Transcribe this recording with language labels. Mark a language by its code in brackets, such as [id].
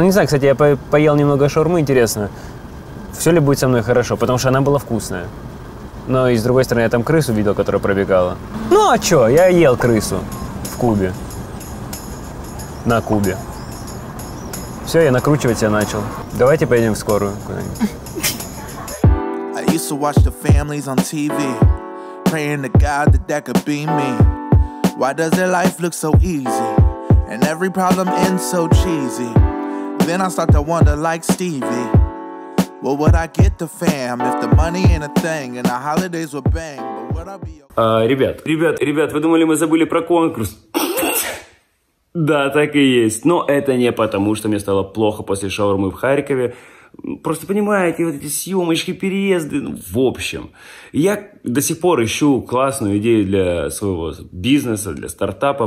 [ru] Ну, не знаю, кстати, я поел немного шаурмы, интересно, все ли будет со мной хорошо, потому что она была вкусная. Но и с другой стороны, я там крысу видел, которая пробегала. Ну, а что? Я ел крысу в Кубе. На Кубе. Все, я накручивать себя начал. Давайте поедем в скорую куда-нибудь. [en] I used to watch the families on TV, praying to God that that could be me. Why does their life look so easy, and every problem ends so cheesy? Then I start to wonder like Stevie, what would I get the fam if the money ain't a thing and the holidays were bang? But would I be a... [ru] Ребят, вы думали, мы забыли про конкурс? Да, так и есть. Но это не потому, что мне стало плохо после шаурмы в Харькове. Просто понимаете, вот эти съемочки, переезды. Ну, в общем, я до сих пор ищу классную идею для своего бизнеса, для стартапа.